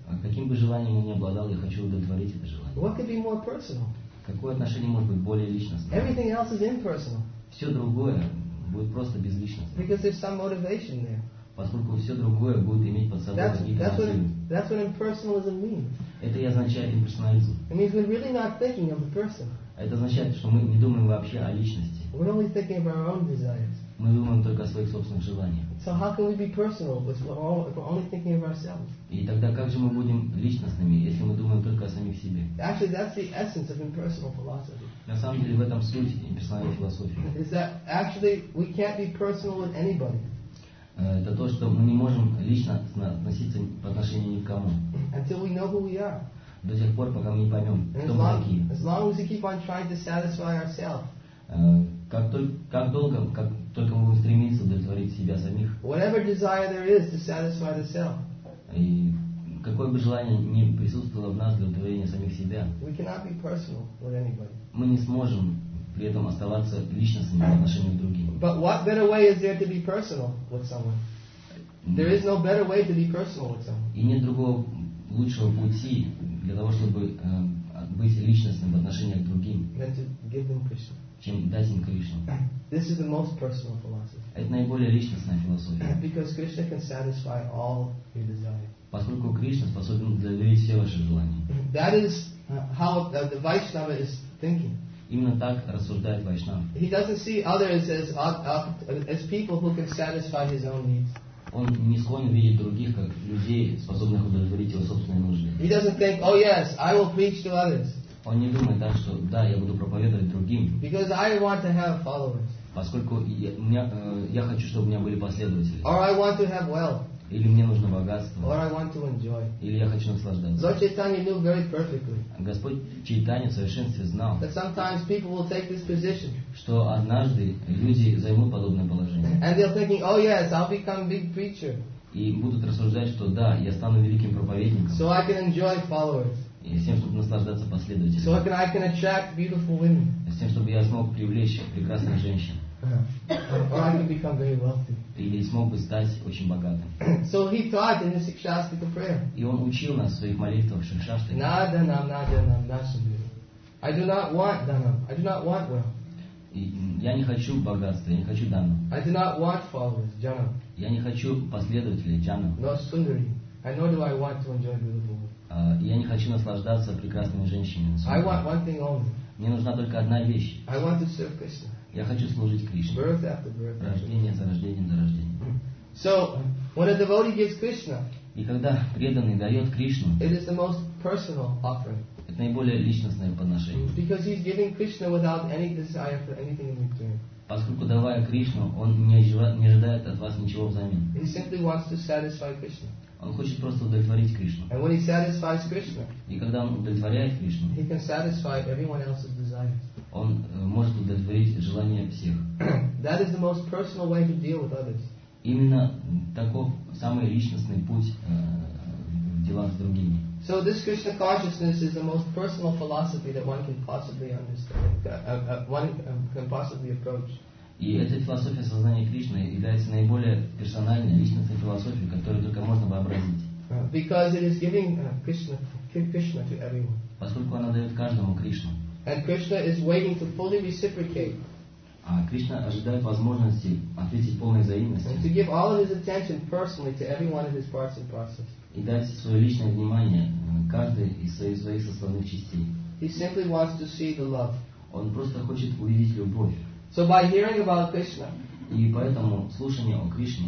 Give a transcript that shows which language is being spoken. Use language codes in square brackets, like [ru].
[ru] А каким бы желанием он ни обладал, я хочу удовлетворить это желание. [en] What could be more personal? [ru] Какое отношение может быть более личностным? [en] Everything else is impersonal. [ru] Все другое будет просто безличностным. [en] Because there's some motivation there. [ru] Поскольку все другое будет иметь под собой какие-то мотивы. [en] That's what impersonalism means. [ru] Это и означает имперсонализм. [en] It means we're really not thinking of the person. [ru] Это означает, что мы не думаем вообще о личности. [en] We're only thinking of our own desires. [ru] Мы думаем только о своих собственных желаниях. [en] So how can we be personal if we're only thinking of ourselves? [ru] И тогда как же мы будем личностными, если мы думаем только о самих себе? [en] Actually, that's the essence of impersonal philosophy. [ru] На самом деле в этом суть имперсональной философии. [en] Is that actually we can't be personal with anybody? [ru] Это то, что мы не можем лично относиться по отношению ни к кому. [en] Until we know who we are. [ru] До тех пор, пока мы не поймем, кто мы такие. [en] As long as we keep on trying to satisfy ourselves. [ru] Как только мы будем стремиться удовлетворить себя самих. [en] Whatever desire there is to satisfy the self. [ru] И какое бы желание ни присутствовало в нас для удовлетворения самих себя. [en] We cannot be personal with anybody. [ru] Мы не сможем при этом оставаться личностными в отношении к другим. [en] But what better way is there to be personal with someone? There is no better way to be personal with someone. [ru] И нет другого лучшего пути для того, чтобы быть личностным в отношении к другим. [en] Than to give them Krishna. [ru] Чем дать им Кришну. [en] This is the most personal philosophy. [ru] Это наиболее личностная философия. [en] Because Krishna can satisfy all your desires. [ru] Поскольку Кришна способен удовлетворить все ваши желания. [en] That is how the Vaishnava is thinking. [ru] Именно так рассуждает Вайшнав. [en] He doesn't see others as people who can satisfy his own needs. [ru] Он не склонен видеть других как людей, способных удовлетворить его собственные нужды. [en] He doesn't think, oh yes, I will preach to others. [ru] Он не думает так, что да, я буду проповедовать другим. [en] Because I want to have followers. [ru] Поскольку я хочу, чтобы у меня были последователи. [en] Or I want to have wealth. [ru] Или мне нужно богатство. [en] Or I want to enjoy. [ru] Или я хочу наслаждаться. [en] Lord Chaitanya knew very perfectly. [ru] Господь Чайтанья в совершенстве знал. [en] That sometimes people will take this position. [ru] Что однажды люди займут подобное положение. [en] And they're thinking, oh yes, I'll become big preacher. [ru] И будут рассуждать, что да, я стану великим проповедником. [en] So I can enjoy followers. [ru] И с тем, чтобы наслаждаться последователями. [en] So I can attract beautiful women. [ru] С тем, чтобы я смог привлечь прекрасных женщин. [en] Or I can become very wealthy. [ru] Или смог бы стать очень богатым. [en] So he taught in the Shikshastika prayer. [ru] И он учил нас в своих молитвах в Шикшастике. [sa] Nada nam, nada nam, nasamiru. [en] I do not want dhanam. I do not want wealth. [ru] Я не хочу богатства, я не хочу дхана. [en] I do not want followers, jhanam. [ru] Я не хочу последователей, jhanam. [en] No sundari. I know that I want to enjoy beautiful women. [ru] Я не хочу наслаждаться прекрасными женщинами. [en] I want one thing only. [ru] Мне нужна только одна вещь. [en] I want to serve Krishna. [ru] Я хочу служить Кришне. [en] Birth after birth. [ru] Рождение за рождением за рождением. [en] So, when a devotee gives Krishna, [ru] и когда преданный дает Кришну, [en] it is the most personal offering. [ru] наиболее личностное подношение. [en] Because he's giving Krishna without any desire for anything in return. [ru] Поскольку давая Кришну, он не ожидает от вас ничего взамен. [en] He simply wants to satisfy Krishna. [ru] Он хочет просто удовлетворить Кришну. [en] And when he satisfies Krishna, [ru] и когда он удовлетворяет Кришну, [en] he can satisfy everyone else's desires. [ru] Он может удовлетворить желания всех. [en] That is the most personal way to deal with others. [ru] Именно таков самый личностный путь в делах с другими. [en] So this Krishna consciousness is the most personal philosophy that one can possibly understand, one can possibly approach. [ru] И эта философия сознания Кришны является наиболее персональной личностной философией, которую только можно вообразить. [en] Because it is giving Krishna to everyone. [ru] Поскольку она дает каждому Кришну. [en] And Krishna is waiting to fully reciprocate. [ru] А Кришна ожидает возможности ответить полной взаимностью. [en] And to give all of his attention personally to every one of his parts and process. [ru] И дать свое личное внимание каждой из своих составных частей. [en] He simply wants to see the love. [ru] Он просто хочет увидеть любовь. [en] So by hearing about Krishna, [ru] и поэтому слушание о Кришне,